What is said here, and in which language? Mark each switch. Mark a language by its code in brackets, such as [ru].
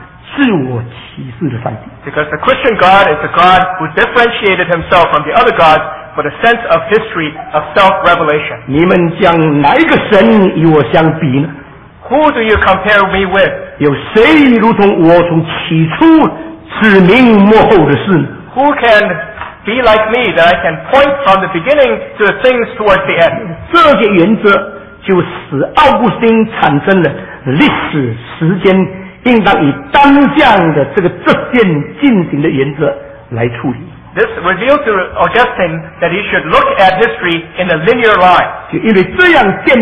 [en] Because the Christian God is a God who differentiated himself from the other gods for the sense of history of self-revelation. Who do you compare me with? [zh] 有谁如同我从起初指明末后的事? [en] Who can be like me that I can point from the beginning to the things towards the end? [zh] 这些原则 就使奥古斯丁产生了历史时间应当以单向的这个直线进行的原则来处理。 [en] This revealed to Augustine that he should look at history in a linear line.